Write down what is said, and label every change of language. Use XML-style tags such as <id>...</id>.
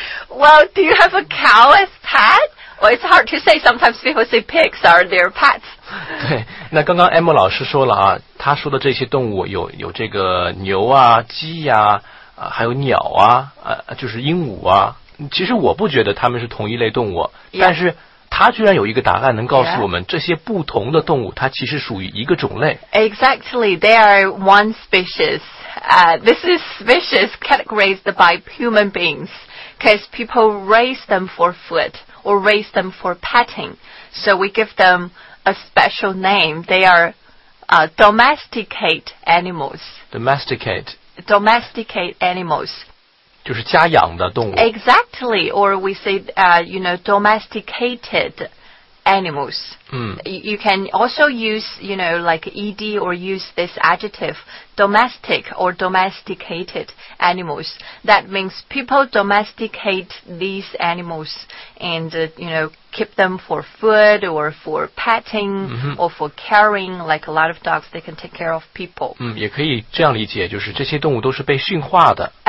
<en>Well, do you have a cow as pet? Well, it's hard to say. Sometimes people say pigs are their pets.</en> <zh>对，那刚刚 Emma 老师说了啊，他说的这些动物有这个牛啊、鸡啊、还有鸟啊、就是鹦鹉啊。其实我不觉得他们是同一类动物，</zh> <en>yeah.</en> <zh>但是他居然有一个答案能告诉我们这些不同的动物它其实属于一个种类。</zh> <en>Exactly, they are one species. This is species categorized by human beings because people raise them for food or raise them for petting. So we give them a special name. They are domesticate animals. Domesticate. Domesticate animals.</en> <zh>就是家养的动物。</zh> <en>Exactly, or we say, domesticated animals. You can also use, you know, like ed or use this adjective, domestic or domesticated animals. That means people domesticate these animals and, keep them for food or for petting、 mm-hmm. or for caring. Like a lot of dogs, they can take care of people.</en> <zh>嗯，也可以这样理解，就是这些动物都是被驯化的。</zh>